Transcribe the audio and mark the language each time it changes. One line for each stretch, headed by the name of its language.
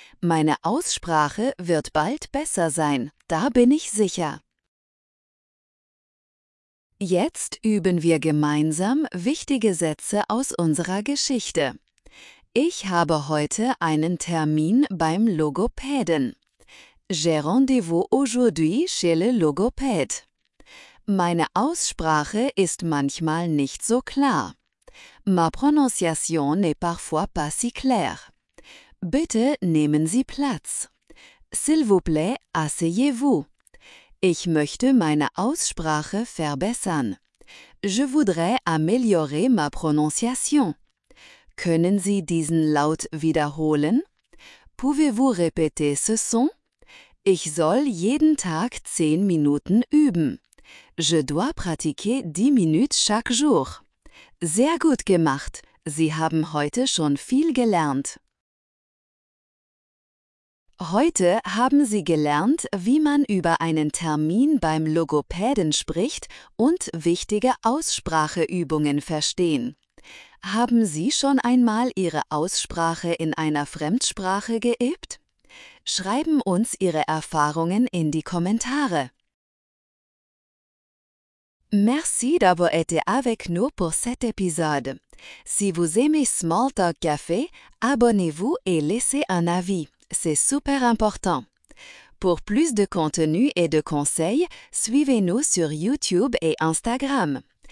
German: Meine Aussprache wird bald besser sein, da bin ich sicher. Jetzt üben wir gemeinsam wichtige Sätze aus unserer Geschichte. Ich habe heute einen Termin beim Logopäden.
French: J'ai rendez-vous aujourd'hui chez le logopède.
German: Meine Aussprache ist manchmal nicht so klar.
French: Ma prononciation n'est parfois pas si claire.
German: Bitte nehmen Sie Platz.
French: S'il vous plaît, asseyez-vous.
German: Ich möchte meine Aussprache verbessern.
French: Je voudrais améliorer ma prononciation.
German: Können Sie diesen Laut wiederholen?
French: Pouvez-vous répéter ce son?
German: Ich soll jeden Tag 10 Minuten üben.
French: Je dois pratiquer 10 minutes chaque jour.
German: Sehr gut gemacht. Sie haben heute schon viel gelernt. Heute haben Sie gelernt, wie man über einen Termin beim Logopäden spricht und wichtige Ausspracheübungen verstehen. Haben Sie schon einmal Ihre Aussprache in einer Fremdsprache geübt? Schreiben uns Ihre Erfahrungen in die Kommentare.
French: Merci d'avoir été avec nous pour cet épisode. Si vous aimez Smalltalk Café, abonnez-vous et laissez un avis. C'est super important. Pour plus de contenu et de conseils, suivez-nous sur YouTube et Instagram.